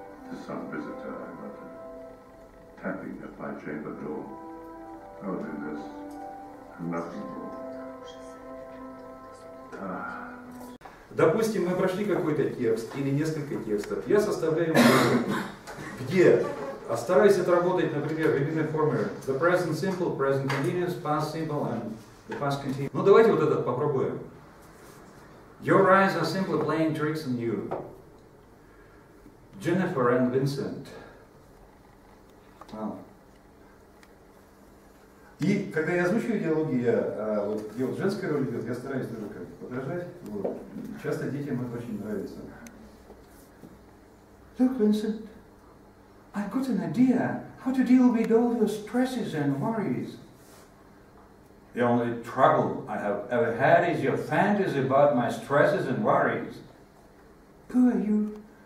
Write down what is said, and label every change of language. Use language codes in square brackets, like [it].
[en] To some visitor, I muttered, tapping at my chamber door, only this, and nothing more. [ru] Допустим, мы прошли какой-то текст или несколько текстов. Я составляю модель, где стараюсь отработать, например, в единой форме the present simple, present continuous, past simple and the past continuous. Ну, давайте вот этот попробуем. [en] Your eyes are simply playing tricks on you. Jennifer and Vincent. [ru] И когда я озвучиваю диалоги, я вот где вот женская роль идет, я стараюсь даже как подражать. Вот. Часто детям это очень нравится. [en] Look, Vincent, I've got an idea how to deal with all your stresses and worries. The only trouble I have ever had is your fantasy about my stresses and worries. Who are you?